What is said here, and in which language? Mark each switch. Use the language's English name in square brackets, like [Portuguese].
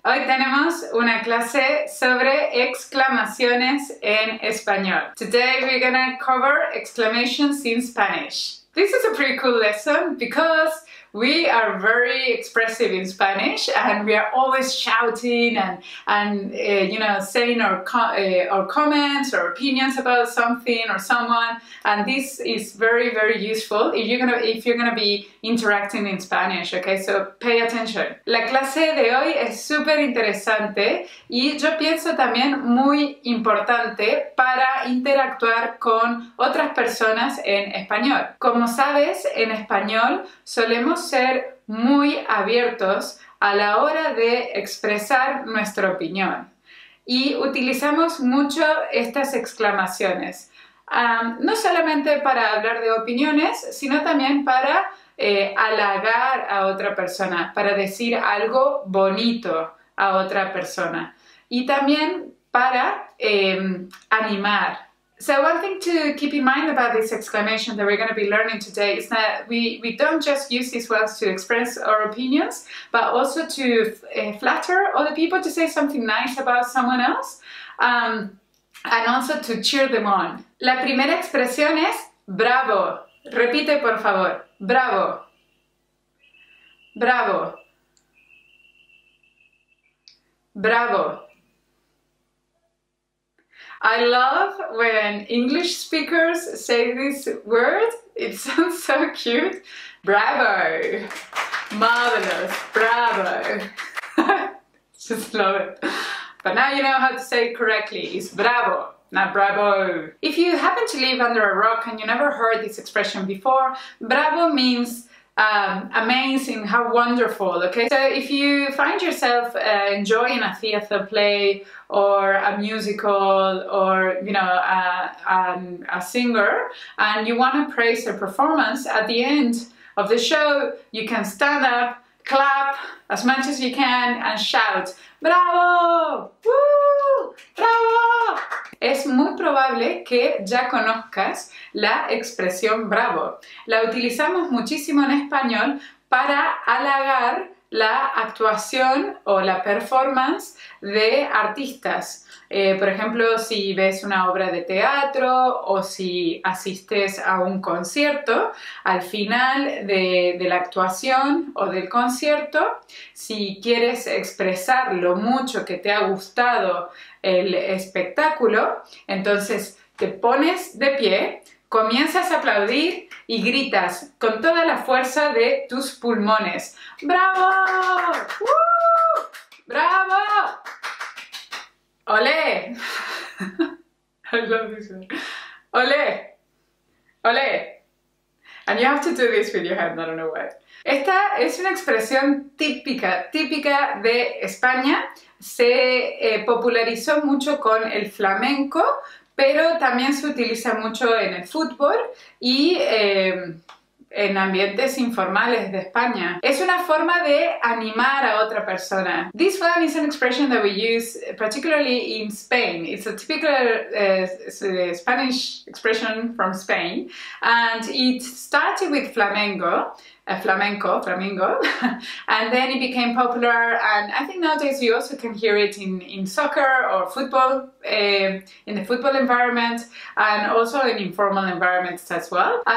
[Spanish] Hoy tenemos una clase sobre exclamaciones en español. [English] Today we're gonna cover exclamations in Spanish. This is a pretty cool lesson because we are very expressive in Spanish and we are always shouting and saying our comments or opinions about something or someone, and this is very, very useful if you're gonna be interacting in Spanish, okay? So pay attention. [Spanish] La clase de hoy es súper interesante y yo pienso también muy importante para interactuar con otras personas en español. Como sabes, en español solemos ser muy abiertos a la hora de expresar nuestra opinión y utilizamos mucho estas exclamaciones, no solamente para hablar de opiniones, sino también para halagar a otra persona, para decir algo bonito a otra persona y también para animar. [English] So one thing to keep in mind about this exclamation that we're going to be learning today is that we don't just use these words to express our opinions, but also to flatter other people, to say something nice about someone else, and also to cheer them on. [Spanish] La primera expresión es bravo. Repite, por favor. Bravo. Bravo. Bravo. [English] I love when English speakers say this word. It sounds so cute. Bravo. Marvelous. Bravo. Just love it. But now you know how to say it correctly. It's bravo, not bravo. If you happen to live under a rock and you never heard this expression before, bravo means amazing, how wonderful, okay? So if you find yourself enjoying a theater play or a musical or, you know, a singer, and you want to praise their performance, at the end of the show, you can stand up, clap as much as you can and shout, ¡Bravo! [Spanish] ¡Woo! ¡Bravo! Es muy probable que ya conozcas la expresión bravo. La utilizamos muchísimo en español para halagar la actuación o la performance de artistas. Por ejemplo, si ves una obra de teatro o si asistes a un concierto, al final de la actuación o del concierto, si quieres expresar lo mucho que te ha gustado el espectáculo, entonces te pones de pie, comienzas a aplaudir y gritas con toda la fuerza de tus pulmones. ¡Bravo! ¡Woo! ¡Bravo! ¡Olé! [English] I love this one. [Spanish] ¡Olé! ¡Olé! [English] And you have to do this with your hand, I don't know why. [Spanish] Esta es una expresión típica, típica de España. Se popularizó mucho con el flamenco, pero también se utiliza mucho en el fútbol y en ambientes informales de España. Es una forma de animar a otra persona. [English] This one is an expression that we use particularly in Spain. It's a typical Spanish expression from Spain, and it started with flamenco. Flamenco, and then it became popular, and I think nowadays you also can hear it in soccer or football, in the football environment, and also in informal environments as well.